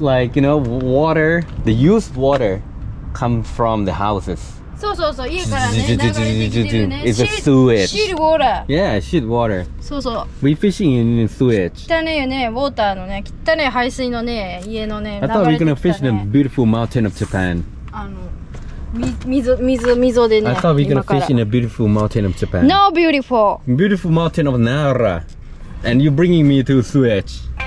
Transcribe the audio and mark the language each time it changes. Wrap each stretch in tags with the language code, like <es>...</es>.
<en>Like, you know, water, the used water come from the houses.</en> <ja>そうそうそう。家からね、流れてきてるね。</ja> <en>It's a sewage. Shit water. Yeah, shit water.</en> <ja>そうそう。</ja> <en>We fishing in sewage.</en> <ja>汚いよね、ウォーターのね、汚い排水のね、家のね、流れてきてるね。</ja> <en>I thought we were gonna fish in a beautiful mountain of Japan.</en> <ja>水でね。</ja> <en>I thought we're gonna fish in a beautiful mountain of Japan. No beautiful. Beautiful mountain of Nara. And you're bringing me to sewage.</en>